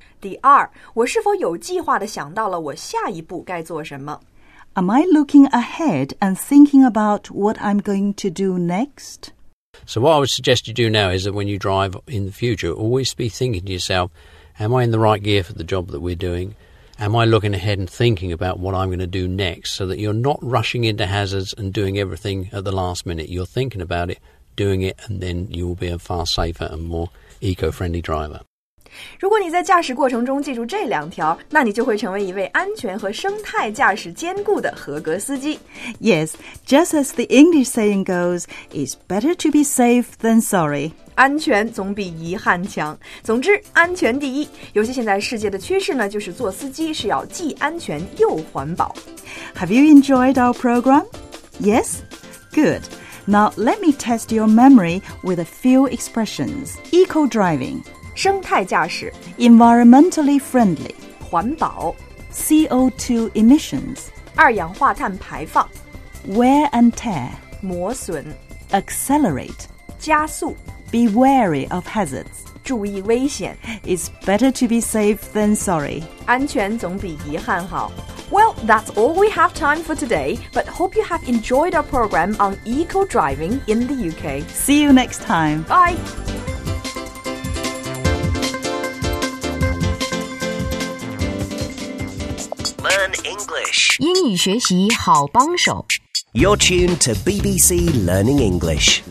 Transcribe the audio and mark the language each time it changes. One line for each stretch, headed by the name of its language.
Chinese: 第二，我是否有计划地想到了我下一步该做什么？
English: Am I looking ahead and thinking about what I'm going to do next? So what I would suggest you do now is that when you drive in the future, always be thinking to yourself, am I in the right gear for the job that we're doing? Am I looking ahead and thinking about what I'm going to do next so that you're not rushing into hazards and doing everything at the last minute? You're thinking about it, doing it, and then you will be a far safer and more eco-friendly driver.
Chinese: 如果你在驾驶过程中记住这两条，那你就会成为一位安全和生态驾驶兼顾的合格司机。
English: Yes, just as the English saying goes, it's better to be safe than sorry.
Chinese: 安全总比遗憾强。总之，安全第一。尤其现在世界的趋势呢，就是做司机是要既安全又环保。
English: Have you enjoyed our program? Yes? Good. Now let me test your memory with a few expressions. Eco driving.
Chinese: 生态驾驶
English: Environmentally friendly
Chinese: 环保
English: CO2 emissions
Chinese: 二氧化碳排放
English: Wear and tear
Chinese: 磨损
English: Accelerate
Chinese: 加速
English: Be wary of hazards
Chinese: 注意危险
English: It's better to be safe than sorry
Chinese: 安全总比遗憾好
English: Well, that's all we have time for today, but hope you have enjoyed our program on eco-driving in the UK. See you next time. Bye! Learn English.
Chinese: 英语学习好帮手。
English: You're tuned to BBC Learning English.